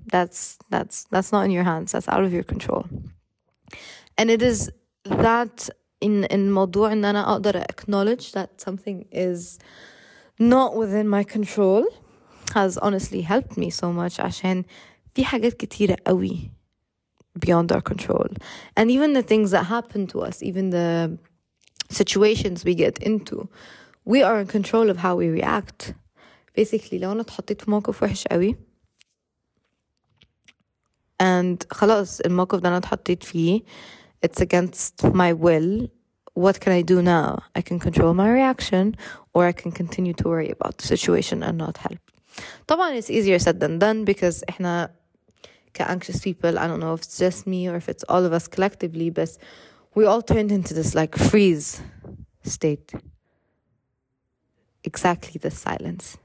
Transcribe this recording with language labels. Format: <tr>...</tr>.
<en>That's not in your hands. That's out of your control. And it is that in</en> <ar>موضوع إن أنا أقدر</ar> <en>acknowledge that something is not within my control has honestly helped me so much.</en> <ar>عشان في حاجات كتيرة قوي</ar> <en>beyond our control. And even the things that happen to us, even the situations we get into, we are in control of how we react. Basically,</en> <ar>لو أنا تحطيت في موقف وحش قوي, and خلاص الموقف ده أنا تحطيت فيه,</ar> <en>it's against my will. What can I do now? I can control my reaction, or I can continue to worry about the situation and not help.</en> <ar>طبعا</ar> <en>it's easier said than done, because</en> <ar>احنا كأنكشس</ar> <en>people, I don't know if it's just me or if it's all of us collectively, but we all turned into this like freeze state. Exactly the silence.</en>